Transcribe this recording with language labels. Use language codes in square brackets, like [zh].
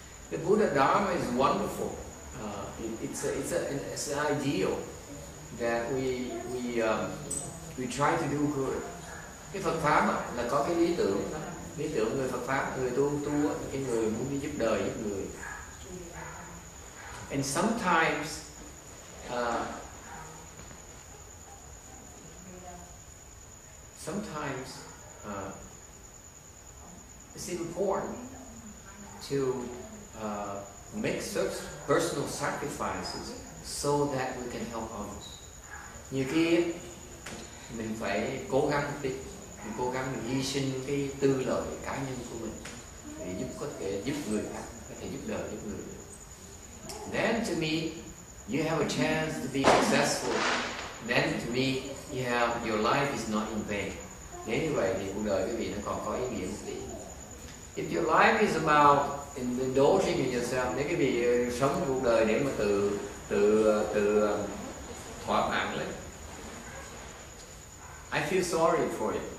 [en] The Buddha Dharma is wonderful. It's an ideal that we try to do good. [vi] Cái Phật pháp là có cái lý tưởng người Phật pháp, người tu cái người muốn đi giúp đời giúp người. [en] And sometimes it's important to make such personal sacrifices so that we can help others. [vi] Nhiều khi mình phải cố gắng hy sinh cái tư lợi cá nhân của mình để giúp người khác, có thể giúp đời giúp người. [en] Then to me, you have a chance to be successful. Then to me, you have your life is not in vain. [vi] Nếu như vậy thì cuộc đời quý vị nó còn có ý nghĩa gì? [en] If your life is about indulging in yourself, [vi] nếu quý vị sống cuộc đời để mà tự thỏa mãn lên, [en] I feel sorry for you.